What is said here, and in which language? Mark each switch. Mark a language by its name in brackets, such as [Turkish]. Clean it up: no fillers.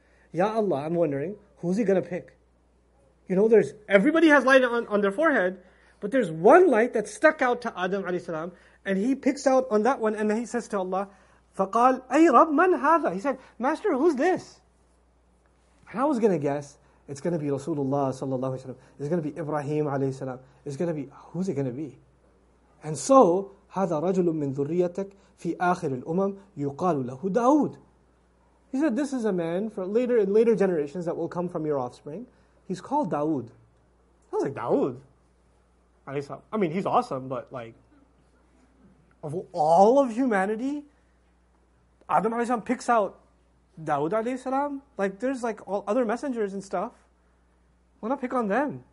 [English] Ya Allah, I'm wondering, who's he going to pick? You know, there's everybody has light on their forehead, but there's one light that stuck out to Adam alayhi salam, and he picks out on that one, and then he says to Allah, [Arabic] فَقَالْ أَيْ رَبْ مَنْ هَذَا. [English] He said, Master, who's this? And I was going to guess, it's going to be Rasulullah sallallahu alayhi wa sallam. It's going to be Ibrahim alayhi salam. It's going to be, who's it going to be? And so, [Arabic] هذا رجل من ذريتك في آخر الأمم يقال له داود. [English] He said, this is a man for later in later generations that will come from your offspring. He's called Daud. I was like, Daud? I mean, he's awesome, but like, of all of humanity, Adam alayhi salam picks out Dawood alayhi salam, like there's like all other messengers and stuff. Why not pick on them?